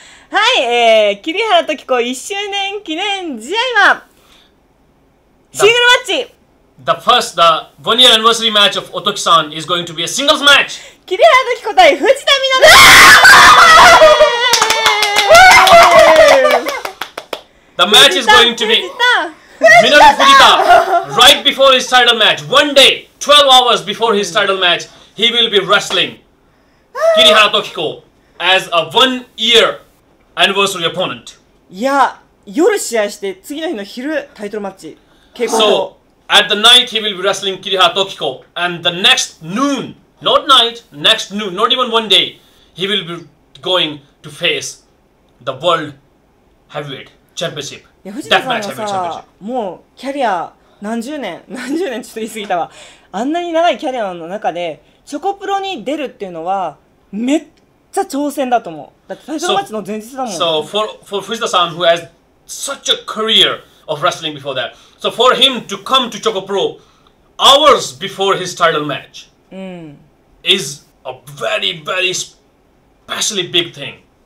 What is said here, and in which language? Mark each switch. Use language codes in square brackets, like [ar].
[ja] はい、桐原時子1周年記念試合はシングルマッチ [en] The first, the one year anniversary match of Otoki-san is going to be a singles match! [ja] Kiri Hara no Kiko tai Fujita Mino! [en] The match is going to be Minoru Fujita right before his title match. One day, 12 hours before his title match, he will be wrestling Kiri Hara no Kiko as a 1 year anniversary opponent. Yeah, So, at the night he will be wrestling Kiri Hara no Kiko, and the next noon, not night, next noon, not even one day, he will be going to face the World Heavyweight Championship. [ja] いや藤田さんはさ、もうキャリア何十年ちょっと言い過ぎたわ。あんなに長いキャリアの中でチョコプロに出るっていうのはめっちゃ挑戦だと思う。だって最初のマッチの前日だもん。 [en] So for Fujita-san who has such a career of wrestling before that, so for him to come to Choco Pro hours before his title match、is a very very specially big thing。